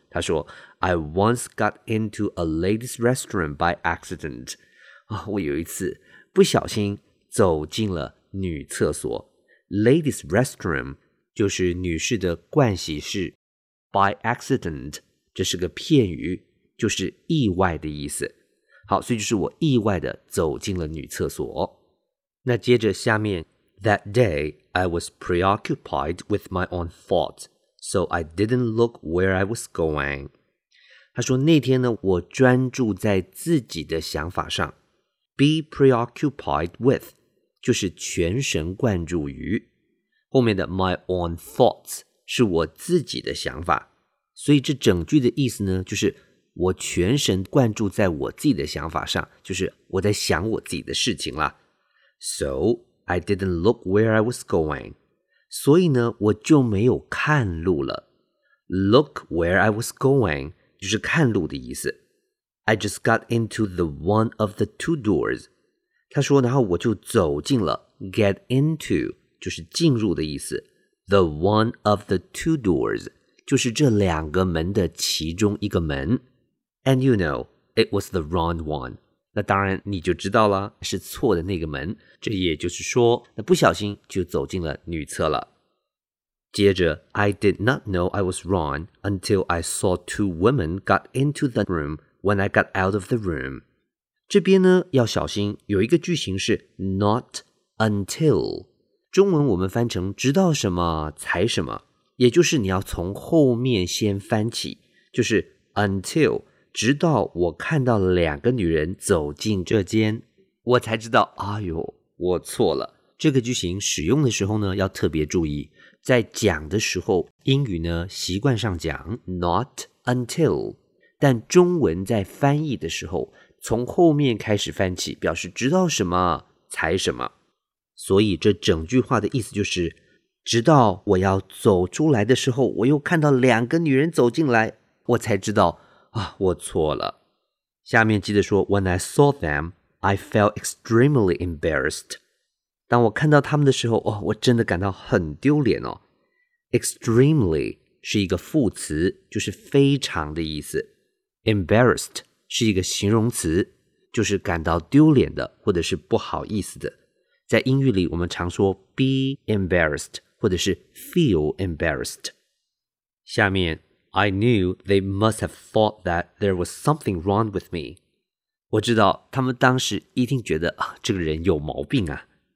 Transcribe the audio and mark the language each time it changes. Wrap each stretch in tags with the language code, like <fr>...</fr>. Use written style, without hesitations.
<en>他说 I once got into a ladies' restroom by accident.、</en> <zh>我有一次不小心走进了女厕所。 Ladies' restroom 就是女士的盥洗室。 By accident, 这是个片语，就是意外的意思。好，所以就是我意外的走进了女厕所。那接着下面</zh> <en>,That day, I was preoccupied with my own thoughts, so I didn't look where I was going.</en> <zh>他说那天呢，我专注在自己的想法上。</zh> <en>Be preoccupied with,</en> <zh>就是全神贯注于。后面的</zh> <en>my own thoughts,</en> <zh>是我自己的想法，所以这整句的意思呢，就是我全神贯注在我自己的想法上，就是我在想我自己的事情啦。</zh> <en>So, I didn't look where I was going.</en> <zh>所以呢，我就没有看路了。</zh> <en>Look where I was going,</en> <zh>就是看路的意思。</zh> <en>I just got into the one of the two doors.</en> <zh>他说，然后我就走进了。Get into, 就是进入的意思。</zh> <en>The one of the two doors,</en> <zh>就是这两个门的其中一个门。</zh> <en>And you know, it was the wrong one.</en> <zh>那当然你就知道了，是错的那个门。这也就是说，那不小心就走进了女厕了。接着</zh> <en>,I did not know I was wrong until I saw two women got into the room when I got out of the room.</en> <zh>这边呢，要小心，有一个句型是 not until. 中文我们翻成直到什么才什么，也就是你要从后面先翻起，就是 until 直到我看到两个女人走进这间。我才知道，哎呦，我错了。这个句型使用的时候呢，要特别注意，在讲的时候，英语呢习惯上讲 not until， 但中文在翻译的时候，从后面开始翻起，表示直到什么才什么。所以这整句话的意思就是，直到我要走出来的时候，我又看到两个女人走进来，我才知道啊，我错了。下面记得说</zh> <en>When I saw them, I felt extremely embarrassed.</en> <zh>当我看到他们的时候，哦，我真的感到很丢脸哦。 Extremely 是一个副词，就是非常的意思。 Embarrassed 是一个形容词，就是感到丢脸的，或者是不好意思的。在英语里我们常说 be embarrassed 或者是 feel embarrassed。</zh> <en>下面 I knew they must have thought that there was something wrong with me。</en> <zh>我知道他们当时一定觉得，啊，这个人有毛病啊。</zh>